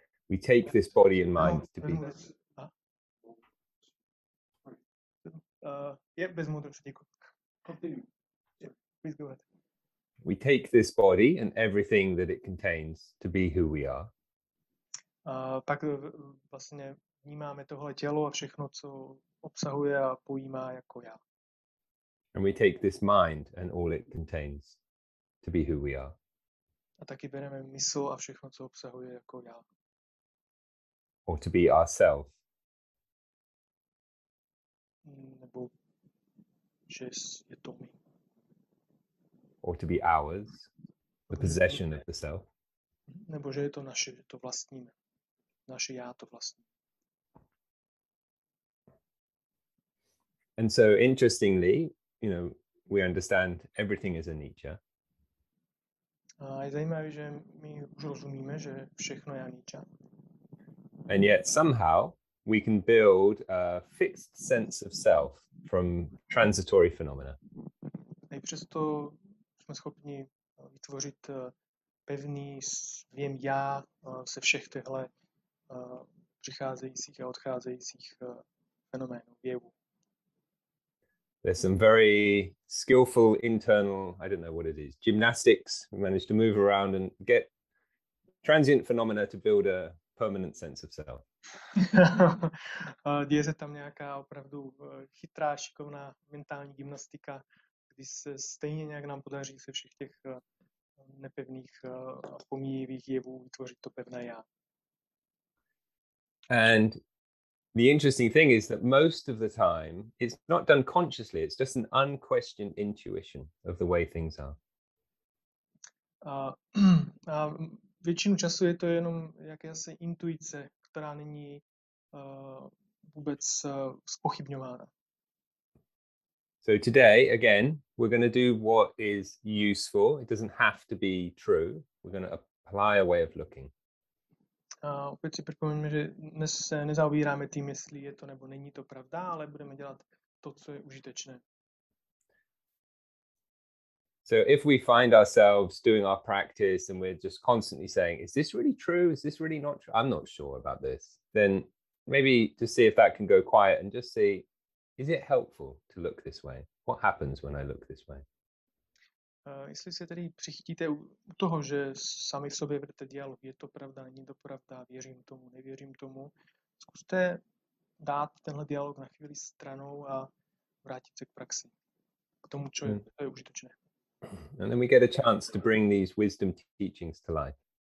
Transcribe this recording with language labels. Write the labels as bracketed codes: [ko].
[en] we take this body and mind to be [cs] bez moudrosti, [en] please go ahead. We take this body and everything that it contains to be who we are. [cs] Pak vlastně vnímáme tohle tělo a všechno, co obsahuje a pojímá jako já. [en] And we take this mind and all it contains to be who we are. [cs] A taky bereme mysl a všechno, co obsahuje jako já. [en] Or to be ourselves. [cs] Nebo že je to my. [en] Or to be ours, the possession of the self. [cs] Nebo že je to naše, to vlastníme. Naše já to vlastní. [en] And so interestingly, you know, we understand everything is a Nietzsche. [cs] A je zajímavé, že my už rozumíme, že všechno je Nietzsche. [en] And yet somehow we can build a fixed sense of self from transitory phenomena. [cs] Přesto jsme schopni vytvořit pevný svým já se všech těchto přicházejících a odcházejících fenoménů, jevů. [en] There's some very skillful internal, I don't know what it is, gymnastics. We managed to move around and get transient phenomena to build a permanent sense of self. [cs] Děje se tam nějaká opravdu chytrá, šikovná mentální gymnastika, kdy se stejně nějak nám podaří se všech těch nepevných a pomíjivých jevů vytvořit to pevné já. [en] And the interesting thing is that most of the time it's not done consciously, it's just an unquestioned intuition of the way things are. [cs] A většinu času je to jenom jakási intuice, která není vůbec zpochybňována. [en] So today, again, we're going to do what is useful. It doesn't have to be true. We're going to apply a way of looking. [cs] Opět si připomeňme, že dnes se nezaobíráme tím, jestli je to nebo není to pravda, ale budeme dělat to, co je užitečné. [en] So if we find ourselves doing our practice and we're just constantly saying, is this really true? Is this really not true? I'm not sure about this. Then maybe to see if that can go quiet and just see, is it helpful to look this way? What happens when I look this way? [cs] Jestli se tady přichytíte u toho, že sami v sobě vedete dialog, je to pravda, není to pravda, věřím tomu, nevěřím tomu, zkuste dát tenhle dialog na chvíli stranou a vrátit se k praxi, k tomu, co je užitečné. [en] And then we get a chance to bring these wisdom teachings to life.